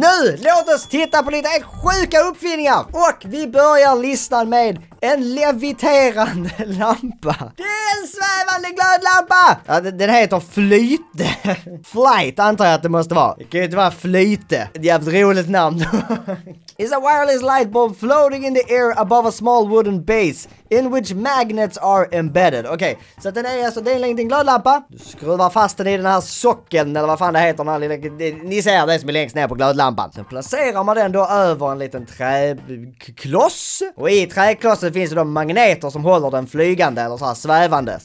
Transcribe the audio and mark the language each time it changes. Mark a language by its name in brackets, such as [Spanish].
[Swedish] Nu, låt oss titta på lite sjuka uppfinningar. Och vi börjar listan med en leviterande lampa. Det är en svävande glödlampa. Ja, den heter flyte. Flight antar jag att det måste vara. Det kan ju inte vara flyte. Det är ett roligt namn. [English] It's a wireless light bulb floating in the air above a small wooden base in which magnets are embedded. [Swedish] Okej, okay. Så den är alltså, det är en liten glödlampa. Du skruvar fast den i den här socken eller vad fan det heter. Ni ser det som är längst ner på glödlampan. Sen placerar man den då över en liten träkloss. Och i träklossen finns det då magneter som håller den flygande eller så här svävande.